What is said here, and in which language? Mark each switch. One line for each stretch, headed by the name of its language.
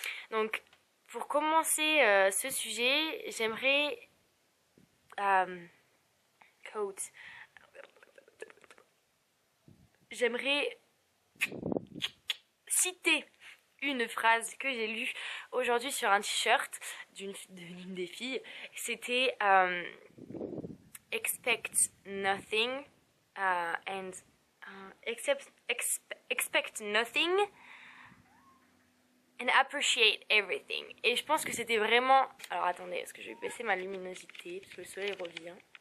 French: Donc, pour commencer ce sujet, j'aimerais J'aimerais citer une phrase que j'ai lue aujourd'hui sur un t-shirt d'une des filles. C'était
English: Expect nothing and expect nothing and appreciate everything.
French: Et je pense que c'était vraiment. Alors attendez, est-ce que je vais baisser ma luminosité parce que le soleil revient.